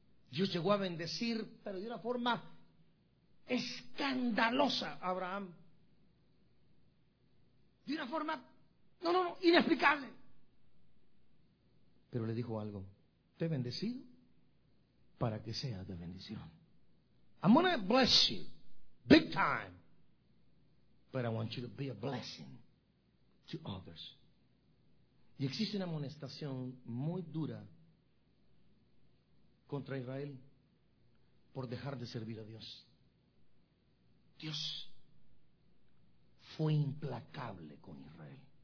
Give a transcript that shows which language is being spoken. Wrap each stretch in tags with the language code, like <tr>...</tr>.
<es>Dios llegó a bendecir, pero de una forma escandalosa a Abraham. De una forma, inexplicable. Pero le dijo algo. Te he bendecido para que seas de bendición.</es> <en>I'm going to bless you big time, but I want you to be a blessing to others.</en> <es>Y existe una amonestación muy dura contra Israel por dejar de servir a Dios. Dios fue implacable con Israel.</es>